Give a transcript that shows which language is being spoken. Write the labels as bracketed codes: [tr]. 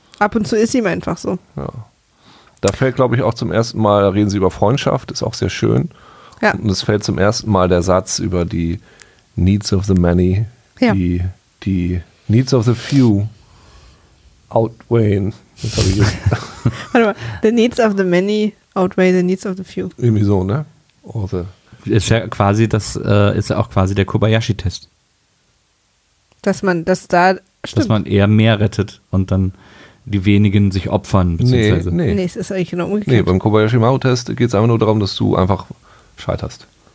[de] Ab und zu ist ihm einfach so. Ja. Da fällt, glaube ich, auch zum ersten Mal, reden sie über Freundschaft, ist auch sehr schön. Ja. Und es fällt zum ersten Mal der Satz über die [en] Needs of the Many, [de] die [en] Needs of the Few [de] outweighen. Das habe ich jetzt. Warte mal, [en] the Needs of the Many outweigh the needs of the few. [de] Irgendwie so, ne? Ist ja quasi, das ist ja auch quasi der Kobayashi-Test. Dass man eher mehr rettet und dann die wenigen sich opfern. Nee, es ist eigentlich genau umgekehrt. Nee, beim Kobayashi-Maru-Test geht es einfach nur darum, dass du einfach scheiterst.